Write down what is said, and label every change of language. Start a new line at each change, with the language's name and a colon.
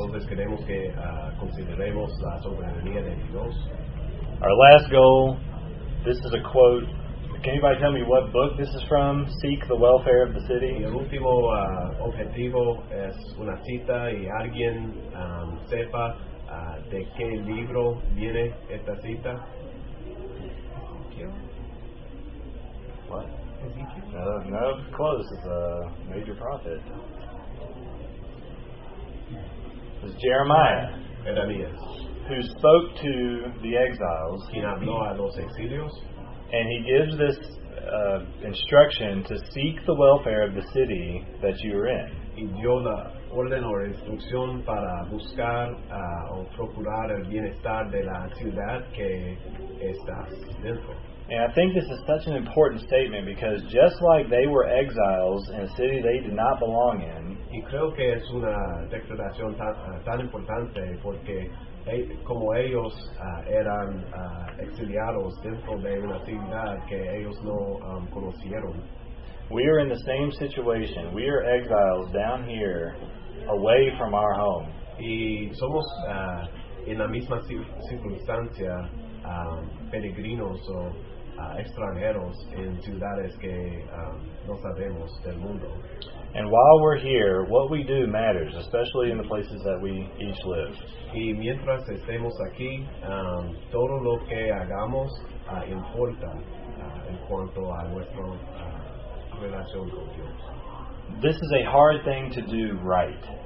Spanish: Entonces queremos que consideremos la soberanía de Dios.
English: Our last goal, this is a quote. Can anybody tell me what book this is from? Seek the Welfare of the City.
Spanish: Y el último objetivo es una cita y alguien sepa de qué libro viene esta cita.
English: Ezekiel? What? Ezekiel? No, of course, it's a major prophet. It's Jeremiah. Jeremiah. Who spoke to the exiles.
Spanish: Quien habló a los exilios.
English: And he gives this instruction to seek the welfare of the city that you are in.
Spanish: Y dio la orden o instrucción para buscar o procurar el bienestar de la ciudad que estás dentro.
English: And I think this is such an important statement because just like they were exiles in a city they did not belong in.
Spanish: Y creo que es una declaración tan importante porque como ellos eran exiliados dentro de una ciudad que ellos no conocieron.
English: We are in the same situation. We are exiles down here, away from our home.
Spanish: Y somos en la misma circunstancia, peregrinos o extranjeros en ciudades que no sabemos del mundo.
English: And while we're here, what we do matters, especially in the places that we each live.
Spanish: Y mientras estemos aquí, todo lo que hagamos importa en cuanto a nuestra relación con Dios.
English: This is a hard thing to do right.